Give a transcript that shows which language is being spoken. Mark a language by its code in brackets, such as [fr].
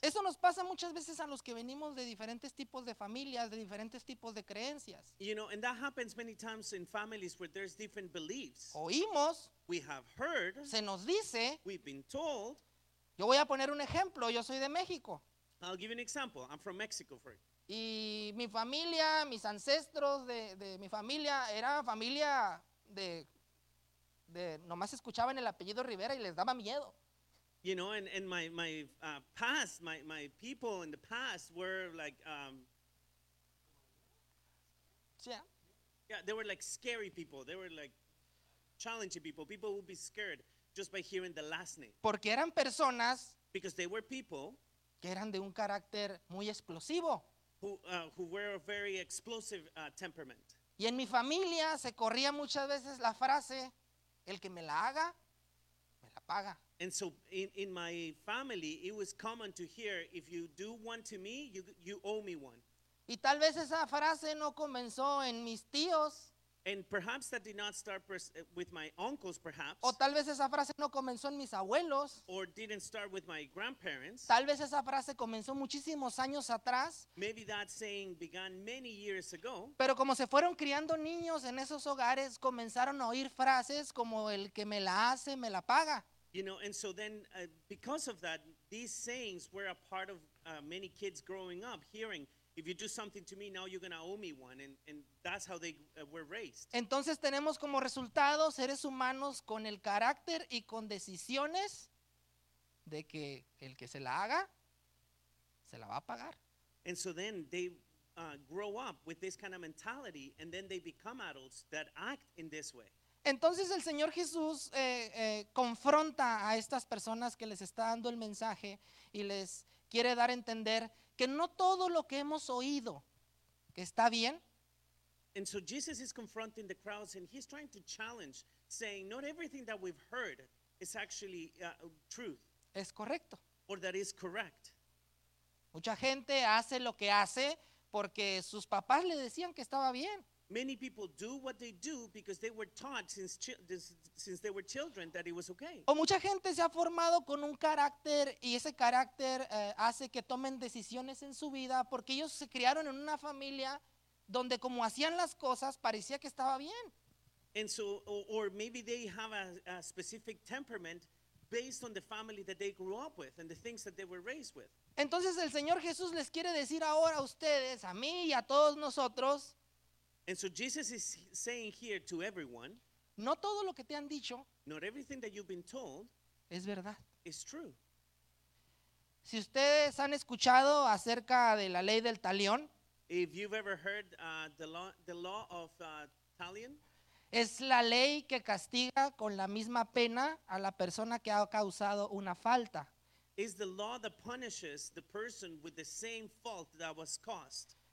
[es] Eso nos pasa muchas veces a los que venimos de diferentes tipos de familias, de diferentes tipos de creencias. [en] You know, and that happens many times in families where there's different beliefs. [es] Oímos. [en] We have heard. [es] Se nos dice. [en] We've been told. [es] Yo voy a poner un ejemplo. Yo soy de México. [en] I'll give you an example. I'm from Mexico, for example. [es] Y mi familia, mis ancestros de mi familia, era familia de nomás escuchaban el apellido Rivera y les daba miedo. [en] You know, and my past, my people in the past were like, yeah, they were like scary people, they were like challenging people, people would be scared just by hearing the last name. [es] Porque eran personas, [en] because they were people, [es] que eran de un carácter muy explosivo. [en] Who were a very explosive temperament. [es] Y en mi familia se corría muchas veces la frase, el que me la haga, me la paga. [en] And so in my family, it was common to hear, if you do one to me, you owe me one. [es] Y tal vez esa frase no comenzó en mis tíos. [en] And perhaps that did not start with my uncles, perhaps. [es] O tal vez esa frase no comenzó en mis abuelos. [en] Or didn't start with my grandparents. [es] Tal vez esa frase comenzó muchísimos años atrás. [en] Maybe that saying began many years ago. [es] Pero como se fueron criando niños en esos hogares, comenzaron a oír frases como el que me la hace, me la paga. [en] You know, and so then, because of that, these sayings were a part of many kids growing up hearing, if you do something to me, now you're going to owe me one. And that's how they were raised. [es] Entonces tenemos como resultado seres humanos con el carácter y con decisiones de que el que se la haga, se la va a pagar. [en] And so then they grow up with this kind of mentality, and then they become adults that act in this way. [es] Entonces el Señor Jesús confronta a estas personas que les está dando el mensaje y les quiere dar a entender que no todo lo que hemos oído que está bien. [en] And so Jesus is confronting the crowds and he's trying to challenge, saying not everything that we've heard is actually truth. [es] Es correcto. [en] Or that is correct. [es] Mucha gente hace lo que hace porque sus papás le decían que estaba bien. [en] Many people do what they do because they were taught since they were children that it was okay. [es] O mucha gente se ha formado con un carácter y ese carácter hace que tomen decisiones en su vida porque ellos se criaron en una familia donde como hacían las cosas parecía que estaba bien. [en] And so, or maybe they have a specific temperament based on the family that they grew up with and the things that they were raised with. [es] Entonces el Señor Jesús les quiere decir ahora a ustedes, a mí y a todos nosotros. [en] And so Jesus is saying here to everyone, [es] no todo lo que te han dicho, [en] not everything that you've been told, [es] es verdad. [en] Is true. [es] Si ustedes han escuchado acerca de la ley del talión, [en] if you've ever heard the law of talión, [es] es la ley que castiga con la misma pena a la persona que ha causado una falta. [en] Is the law that punishes the person with the same fault that was caused.